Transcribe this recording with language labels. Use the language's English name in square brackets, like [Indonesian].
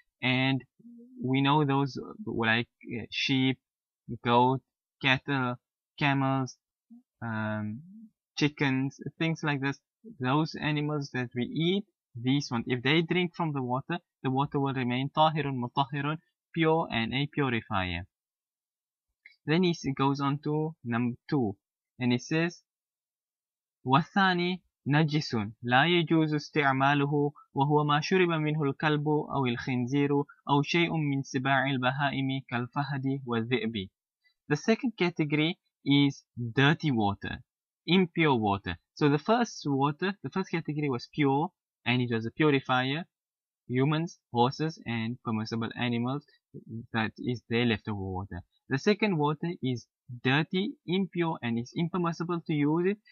[English] And we know those like sheep, goat, cattle, camels, chickens, things like this. Those animals that we eat, these ones, if they drink from the water will remain tahirun, mutahirun, pure and a purifier. Then he goes on to number 2, and he says, [Arabic] وَالثَّانِي نَجِّسٌ لَا يَجُوزُ اسْتِعْمَالُهُ وَهُوَ مَا شُرِبَ مِنْهُ الْكَلْبُ أَوِ الْخِنْزِيرُ أَوْ شَيْءٌ مِّنْ سِبَاعِ الْبَهَائِمِ كَالْفَهَدِ وَالذِّئْبِ. [English] The second category is dirty water, impure water. So the first water, the first category was pure, and it was a purifier, humans, horses, and permissible animals, that is their leftover water. The second water is dirty, impure, and it's impermissible to use it.